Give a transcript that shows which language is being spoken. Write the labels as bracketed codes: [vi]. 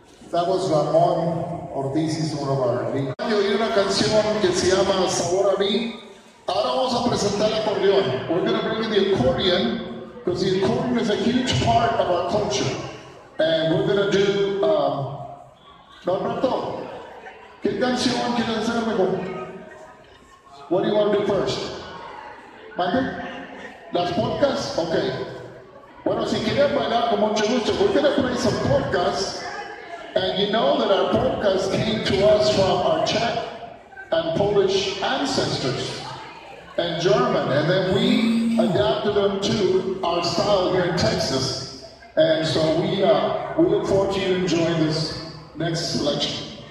[en] That was Ramon Ortiz, is one of our leaders. [es] Vamos a oír una canción que se llama Sabor a Mí. Ahora vamos a presentar el acordeón. [en] We're going to bring in the accordion, because the accordion is a huge part of our culture. And we're going to do... [es] Roberto, ¿qué canción quieres hacer mejor? [en] What do you want to do first? [es] ¿Mande? ¿Las polcas? Ok. Bueno, si quieres bailar, con mucho gusto. [en] We're going to play some polcas. And you know that our polkas came to us from our Czech and Polish ancestors and German. And then we adapted them to our style here in Texas. And so we look forward to you enjoying this next selection.